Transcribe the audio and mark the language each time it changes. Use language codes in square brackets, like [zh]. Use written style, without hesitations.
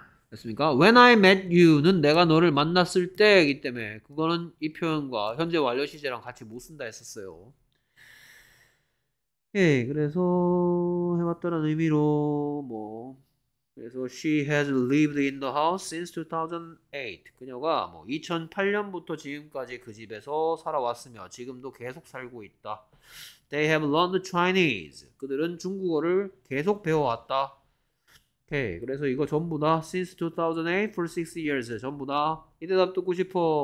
[ko] 됐습니까? When I met you 는 내가 너를 만났을 때이기 때문에 그거는 이 표현과 현재 완료 시제랑 같이 못 쓴다 했었어요. 예, 그래서 해봤다는 의미로 뭐 [en] 그래서 she has lived in the house since 2008. [ko] 그녀가 뭐 2008년부터 지금까지 그 집에서 살아왔으며 지금도 계속 살고 있다. [en] They have learned Chinese. [ko] 그들은 중국어를 계속 배워왔다. 오케이. 그래서 이거 전부 다 since 2008 for 6 years. 전부 다이 대답 듣고 싶어.